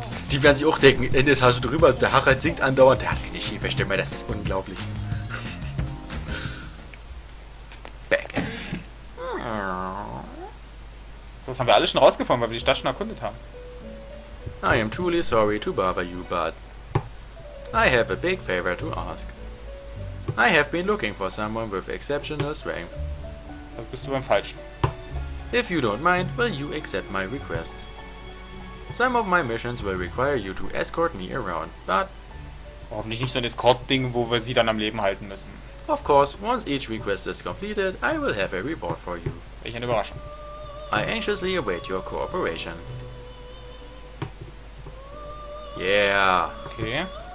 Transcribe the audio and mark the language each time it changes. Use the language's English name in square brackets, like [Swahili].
[German] Die werden sich auch denken, in der Etage drüber, der Harald singt andauernd. Ja, ich verstehe mal, das ist unglaublich. Das haben wir alle schon rausgefunden, weil wir die Stadt schon erkundet haben. [English] I am truly sorry to bother you, but I have a big favor to ask. I have been looking for someone with exceptional strength. [German] Da bist du beim Falschen. [English] If you don't mind, will you accept my requests? Some of my missions will require you to escort me around, but [German] hoffentlich nicht so ein Escort-Ding, wo wir sie dann am Leben halten müssen. [English] Of course, once each request is completed, I will have a reward for you. [German] Welch eine Überraschung. [English] I anxiously await your cooperation. Yeah. Okay.